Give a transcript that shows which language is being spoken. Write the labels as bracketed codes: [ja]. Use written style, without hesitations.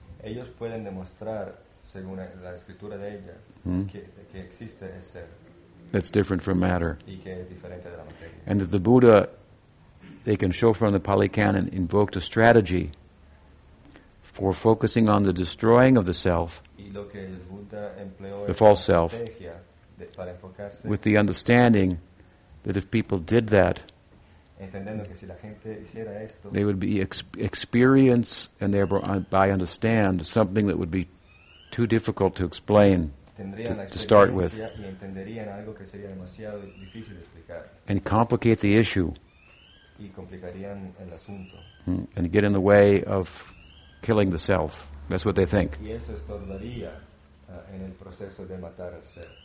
[es] Ellos pueden demostrar, según la escritura de ellas, que existe el ser. [en] That's different from matter. [es] Y que es diferente de la materia. [en] And that the Buddha, they can show from the Pali Canon, invoked a strategy for focusing on the destroying of the self, [es] y lo que el Buddha empleó [en] the false self, [es] de, para enfocarse, [en] with the understanding that if people did that, [es] entendiendo que si la gente hiciera esto, [en] they would be experience and thereby understand something that would be too difficult to explain to start with, [es] y entenderían algo que sería demasiado difícil de explicar, [en] and complicate the issue [es] y complicarían el asunto, [en] and get in the way of killing the self. That's what they think. [es] Y eso estorbaría, en el proceso de matar al ser.